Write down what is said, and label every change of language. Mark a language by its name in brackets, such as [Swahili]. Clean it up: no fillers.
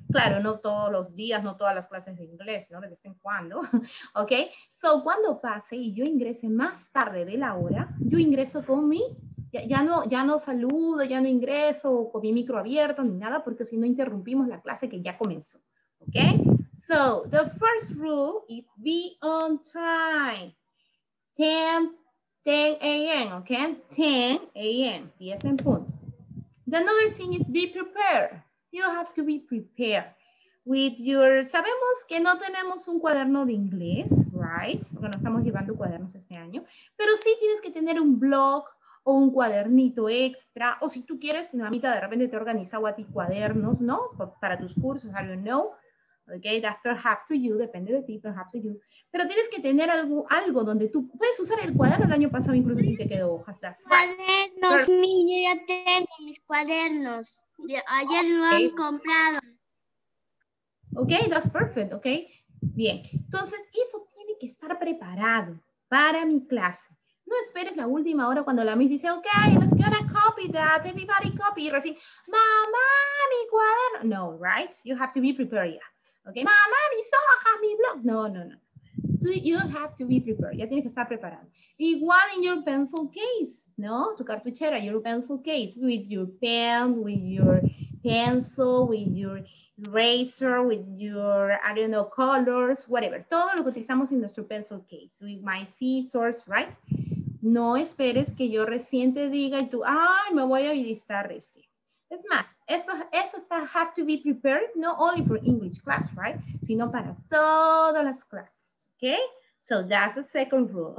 [Spanish] Claro, no todos los días, no todas las clases de inglés, ¿no? De vez en cuando, okay. [English] So, [Spanish] cuando pase y yo ingrese más tarde de la hora, yo ingreso con mi, ya no saludo, ya no ingreso con mi micro abierto ni nada, porque si no interrumpimos la clase que ya comenzó, okay. [English] So, the first rule is be on time. 10 a.m., okay? 10 a.m., 10 [Spanish] en punto. [English] Another thing is be prepared. You have to be prepared with your... [Spanish] Sabemos que no tenemos un cuaderno de inglés, right? Porque no estamos llevando cuadernos este año. Pero sí tienes que tener un blog o un cuadernito extra. O si tú quieres, una amita de repente te organiza a ti cuadernos, ¿no? Para tus cursos, [English] I don't know. Okay, that's perhaps to you, [Spanish] depende de ti, [English] perhaps to you. [Spanish] Pero tienes que tener algo donde tú puedes usar el cuaderno. El año pasado incluso si te quedó hojas. Cuadernos, yo ya tengo mis cuadernos. Ayer lo han comprado. [English] Okay, that's perfect, okay. [Spanish] Bien, entonces eso tiene que estar preparado para mi clase. No esperes la última hora cuando la Miss dice, okay, [English] let's get a copy that, everybody copy. [Spanish] Y recién, mamá, mi cuaderno. No, right? [English] You have to be prepared, yeah. Okay, [Spanish] mamá, mis hojas, mi blog. [English] No. So you don't have to be prepared. [Spanish] Ya tienes que estar preparado. Igual [English] in your pencil case, ¿no? [Spanish] Tu cartuchera, [English] your pencil case, with your pen, with your pencil, with your eraser, with your, I don't know, colors, whatever. [Spanish] Todo lo que utilizamos en nuestro pencil case, [English] with my scissors, [Spanish] right? No esperes que yo recién te diga y tú, ay, me voy a visitar recién. Es más, esto está [English] have to be prepared, not only for English class, right? [Spanish] Sino para todas las clases, okay? [English] So that's the second rule.